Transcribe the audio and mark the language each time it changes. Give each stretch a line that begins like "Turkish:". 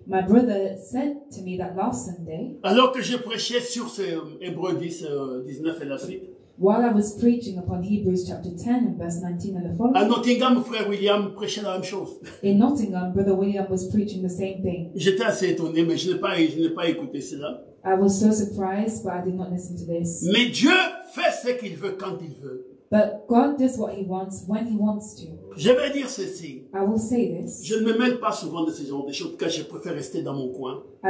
English: My brother said to me that last Sunday.
French: Alors que j'ai prêché sur ce Hébreux 10, 19 et la suite.
English: While I was preaching upon Hebrews chapter 10 and verse 19 and the following.
French: À Nottingham, frère William prêchait la même chose.
English: In Nottingham, brother William was preaching the same thing.
French: J'étais assez étonné, mais je n'ai pas écouté cela.
English: I was so surprised, but I did not listen to this.
French: Mais Dieu fait ce qu'il veut quand il veut.
English: But God does what he wants when he wants to.
French: Je vais dire ceci.
English: I will say this.
French: Je ne me mêle pas souvent de ce genre de choses, car je préfère rester dans mon coin.